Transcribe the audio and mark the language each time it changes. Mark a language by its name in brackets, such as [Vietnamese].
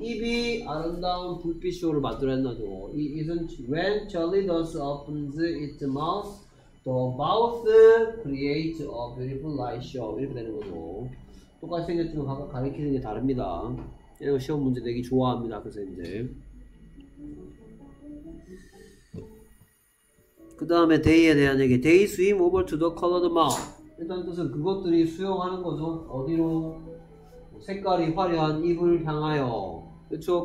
[Korean] 입이 아름다운 불빛 쇼를 만들었나죠. [English] Isn't when Chalidus opens its mouth, the mouth creates a beautiful light show. [Korean] 이렇게 되는 거죠. 똑같이 생겼지만 각각 가리키는 게 다릅니다. 이런 시험 문제 내기 좋아합니다. 그래서 이제. 그 다음에 day에 대한 얘기. [English] They swim over to the colored mouth. [Korean] 일단 뜻은 그것들이 수영하는 거죠. 어디로? 색깔이 화려한 입을 향하여. 그쵸?